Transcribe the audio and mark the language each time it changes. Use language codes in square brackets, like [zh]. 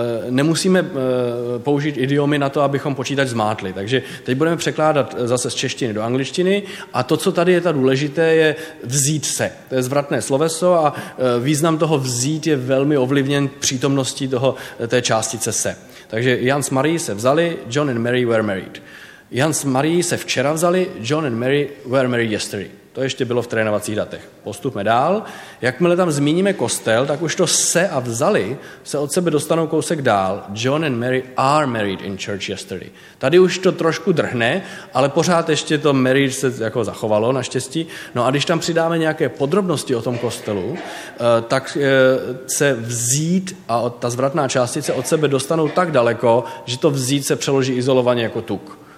[cs] Nemusíme použít idiomy na to, abychom počítač zmátli. Takže teď budeme překládat zase z češtiny do angličtiny a to, co tady je ta důležité, je vzít se. To je zvratné sloveso a význam toho vzít je velmi ovlivněn přítomností té částice se. Takže Jan s Marie se vzali, [en] John and Mary were married. [cs] Jan s Marie se včera vzali, [en] John and Mary were married yesterday. [cs] To ještě bylo v trénovacích datech. Postupme dál. Jakmile tam zmíníme kostel, tak už to se a vzali se od sebe dostanou kousek dál. [en] John and Mary are married in church yesterday. [cs] Tady už to trošku drhne, ale pořád ještě to marriage se jako zachovalo naštěstí. No a když tam přidáme nějaké podrobnosti o tom kostelu, tak se vzít a ta zvratná částice od sebe dostanou tak daleko, že to vzít se přeloží izolovaně jako tuk.